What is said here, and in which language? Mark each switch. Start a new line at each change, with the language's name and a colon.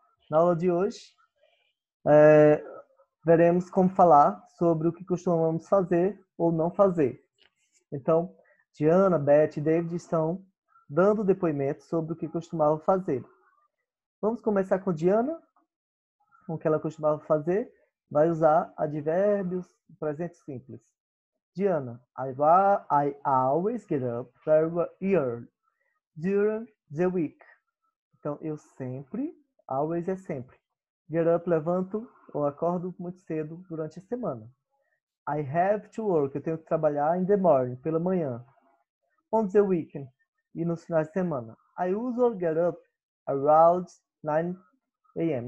Portuguese: Na aula de hoje, veremos como falar sobre o que costumamos fazer ou não fazer. Então, Diana, Beth e David estão dando depoimento sobre o que costumavam fazer. Vamos começar com Diana, com o que ela costumava fazer. Vai usar advérbios e presente simples.
English: Diana, I always get up very early during the week.
Portuguese: Então, eu sempre,
English: always
Portuguese: é sempre.
English: Get up,
Portuguese: levanto ou acordo muito cedo durante a semana.
English: I have to work.
Portuguese: Eu tenho que trabalhar
English: in the morning,
Portuguese: pela manhã.
English: On the weekend
Portuguese: e nos finais de semana.
English: I usually get up around 9 a.m.